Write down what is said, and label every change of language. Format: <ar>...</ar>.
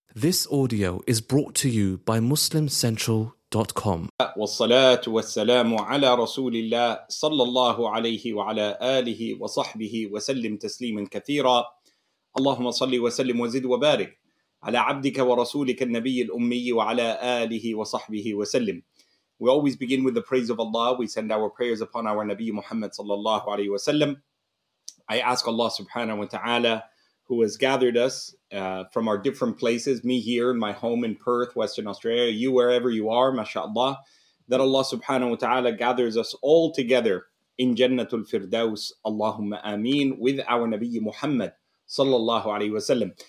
<en>This audio is brought to you by MuslimCentral.com.</en> <ar>والصلاة والسلام على رسول الله صلى الله عليه وعلى آله وصحبه وسلم تسليما كثيرا. اللهم صل وسلم وزد وبارك على عبدك ورسولك النبي الأمي وعلى آله وصحبه وسلم.</ar> <en>We always begin with the praise of Allah. We send our prayers upon our Nabi Muhammad</en> <ar>صلى الله عليه وسلم.</ar> <en>I ask Allah subhanahu wa ta'ala, who has gathered us from our different places, me here in my home in Perth, Western Australia, you wherever you are, mashallah, that Allah subhanahu wa ta'ala gathers us all together in Jannatul Firdaus, Allahumma ameen, with our Nabi Muhammad sallallahu alayhi wa sallam.</en>